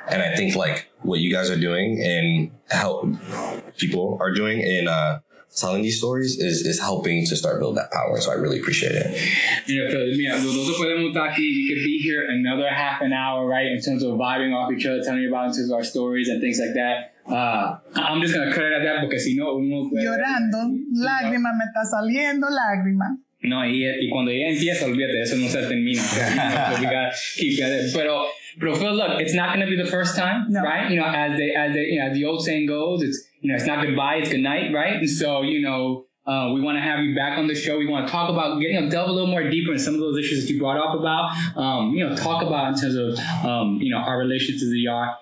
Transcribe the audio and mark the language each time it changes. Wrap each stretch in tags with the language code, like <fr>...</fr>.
<en>And I think like what you guys are doing and how people are doing in telling these stories is helping to start build that power. So I really appreciate it. We could be here another half an hour, right? In terms of vibing off each other, telling you about in terms of our stories and things like that. I'm just going to cut it at that because</en> <es>llorando, lágrima me está saliendo, lágrima. No, y cuando ella empieza, olvídate, eso no se termina.</es> <en>We got to keep it. Pero Phil, look, it's not going to be the first time, right? You know, as the old saying goes, it's, you know, it's not goodbye, it's good night, right? And so, you know, we want to have you back on the show. We want to talk about delve a little more deeper in some of those issues that you brought up about, you know, talk about in terms of, you know, our relation to DR.</en>